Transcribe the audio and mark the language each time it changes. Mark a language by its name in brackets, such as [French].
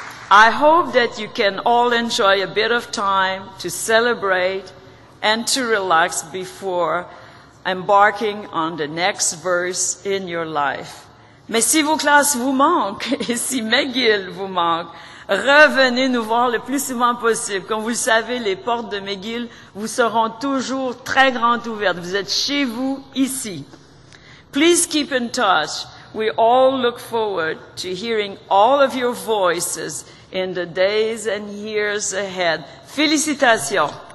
[English] I hope that you can all enjoy a bit of time to celebrate and to relax before embarking on the next verse in your life. [French] Mais si vos classes vous manquent et si McGill vous manque, revenez nous voir le plus souvent possible. Comme vous le savez, les portes de McGill vous seront toujours très grandes ouvertes. Vous êtes chez vous ici. [English] Please keep in touch. We all look forward to hearing all of your voices in the days and years ahead. [French] Félicitations.